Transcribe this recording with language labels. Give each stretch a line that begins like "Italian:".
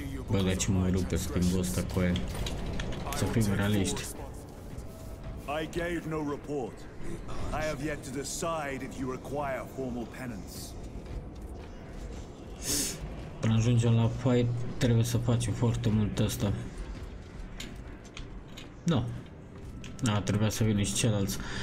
Romanian: Bă, dar ce mă rupe schimbul ăsta cu el. Să fim realiști.
English: I gave no report. I have yet to decide if you require formal penance.
Romanian: Până ajungem la fight, trebuie să facem foarte mult asta. Nu. No. A, trebuia să vină și celălalt.